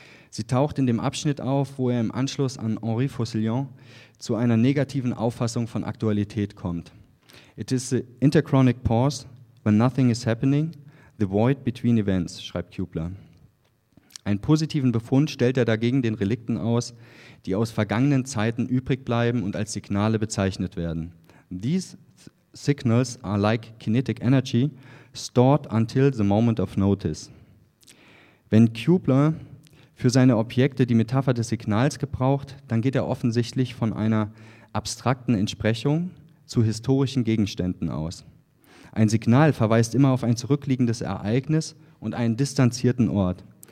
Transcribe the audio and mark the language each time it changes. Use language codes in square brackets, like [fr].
[de] Sie taucht in dem Abschnitt auf, wo er im Anschluss an Henri Faucillon zu einer negativen Auffassung von Aktualität kommt. [en] It is the interchronic pause when nothing is happening, the void between events, [de] schreibt Kubler. Einen positiven Befund stellt er dagegen den Relikten aus, die aus vergangenen Zeiten übrig bleiben und als Signale bezeichnet werden. [en] These signals are like kinetic energy stored until the moment of notice. [de] Wenn Kubler für seine Objekte die Metapher des Signals gebraucht, dann geht er offensichtlich von einer abstrakten Entsprechung zu historischen Gegenständen aus. Ein Signal verweist immer auf ein zurückliegendes Ereignis und einen distanzierten Ort.